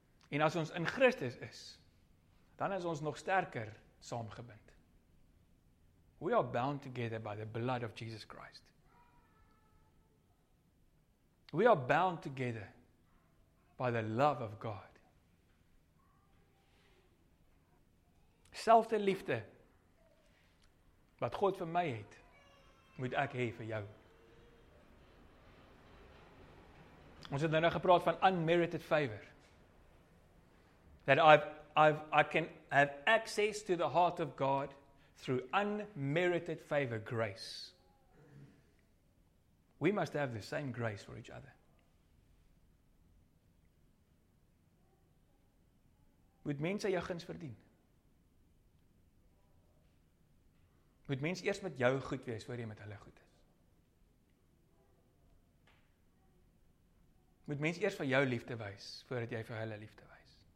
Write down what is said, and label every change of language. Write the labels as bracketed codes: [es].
[af] En as ons in Christus is, dan is ons nog sterker saamgebind. [en] We are bound together by the blood of Jesus Christ. We are bound together by the love of God. [af] Selfde liefde wat God vir my het, moet ek hê vir jou. Ons het nou gepraat van [en] unmerited favor. That I can have access to the heart of God through unmerited favor, grace. We must have the same grace for each other. [af] Moet mense jou guns verdien? Moet mens eerst met jou goed wees, voor jy met hulle goed is. Moet mens eerst van jou liefde wees, voordat jy vir hulle liefde wees.